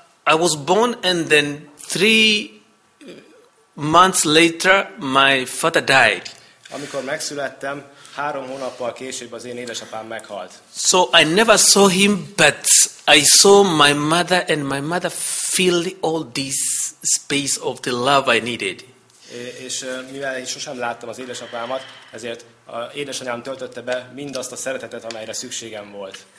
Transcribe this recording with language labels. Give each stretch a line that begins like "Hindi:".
English: I was born and then 3 months later my father died.
Hungarian: Amikor megszülettem, 3 hónappal később az én édesapám meghalt.
English: So I never saw him, but I saw my mother and my mother filled all this space of the love I needed.
Hungarian: És mivel én sosem láttam az édesapámat, ezért az édesanyám töltötte be mindazt a szeretetet, amelyre szükségem volt.